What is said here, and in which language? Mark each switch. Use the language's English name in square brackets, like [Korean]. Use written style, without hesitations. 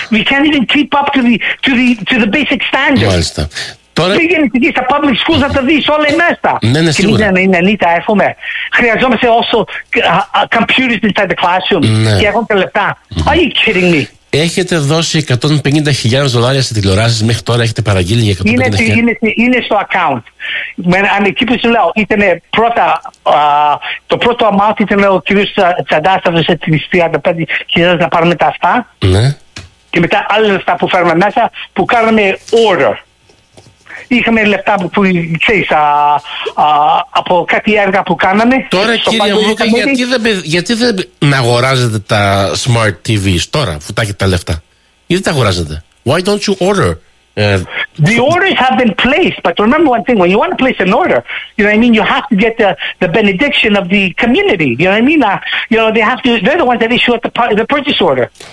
[English] We can't even keep up to the basic standards. [Greek] Τώρα... Πήγαινε εκεί στα public schools να τα δεις όλα μέσα. Ναι, ναι, σίγουρα. Και είναι νύτα, έχουμε. Χρειαζόμαστε [English] also computers inside the classroom. [Greek] Ναι. Και έχουν τα λεφτά. [English] Are you kidding me? [Greek] Έχετε δώσει 150.000 δολάρια σε τηλεοράσεις μέχρι τώρα, έχετε παραγγείλει για 150.000. Είναι στο account. Εκεί που σου λέω, ήταν πρώτα, το πρώτο amount ήταν ο κύριος Τσαντάς, θα δώσε 35.000 να πάρουμε τα αυτά. Ναι. Και μετά άλλα λεφτά που φέρουμε μέσα, που κάναμε order. Είχαμε λεφτά που ξέρεις από κάτι έργα που κάναμε. Τώρα κύριε Μπόκα, γιατί δεν αγοράζετε τα smart TVs τώρα, αφού τα έχετε τα λεφτά. Γιατί τα αγοράζετε. [English] Why don't you order? The orders have been placed, but remember one thing, when you want to place an order, you know what I mean, you have to get the benediction of the community. You know what I mean? You know, they're the ones that issue the purchase order.